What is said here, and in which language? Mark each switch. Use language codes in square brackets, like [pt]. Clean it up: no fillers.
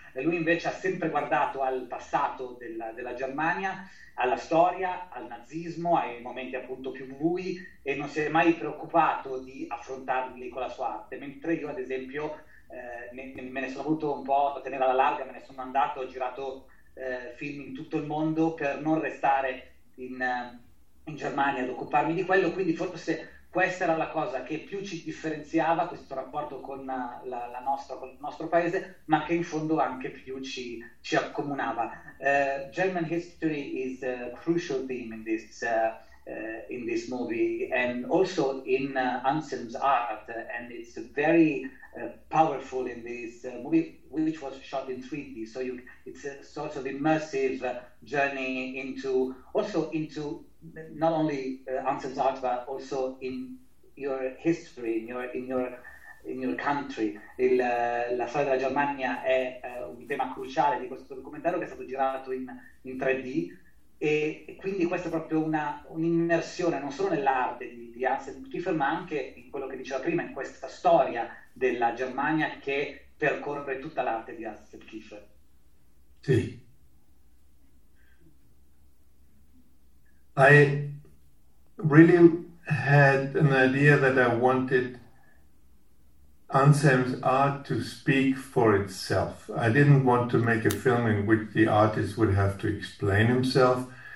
[it] E lui invece ha sempre guardato al passato della Germania, alla storia, al nazismo, ai momenti appunto più bui, e non si è mai preoccupato di affrontarli con la sua arte, mentre io ad esempio me ne sono voluto un po' tenere alla larga, me ne sono andato, ho girato film in tutto il mondo per non restare in Germania ad occuparmi di quello. Quindi forse questa era la cosa che più ci differenziava, questo rapporto con con il nostro paese, ma che in fondo anche più ci accomunava. [en] German history is a crucial theme in this movie and also in Anselm's art, and it's very powerful in this movie, which was shot in 3D, so it's a sort of immersive journey into not only Anselm's art but also in your history, in your country. [it] La storia della Germania è un tema cruciale di questo documentario, che è stato girato in 3D, e quindi questa è proprio un'immersione non solo nell'arte di Anselm Kiefer, ma anche in quello che diceva prima, in questa storia della Germania che percorre tutta l'arte di Anselm Kiefer. Sì. [en] I really had an idea that I wanted Anselm's art to speak for itself. I didn't want to make a film in which the artist would have to explain himself.